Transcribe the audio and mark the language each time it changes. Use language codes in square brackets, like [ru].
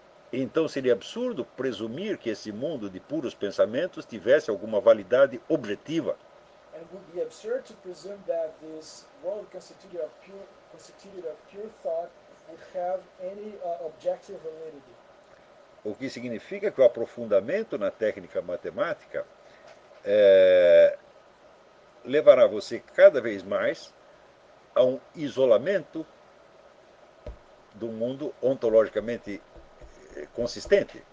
[pt] Então seria absurdo presumir que esse mundo de puros pensamentos tivesse alguma validade objetiva. [en] And it would be absurd to presume that this world constituted of pure thought would have any objective validity. [pt] O que significa que o aprofundamento na técnica matemática levará você cada vez mais a um isolamento do mundo ontologicamente consistente.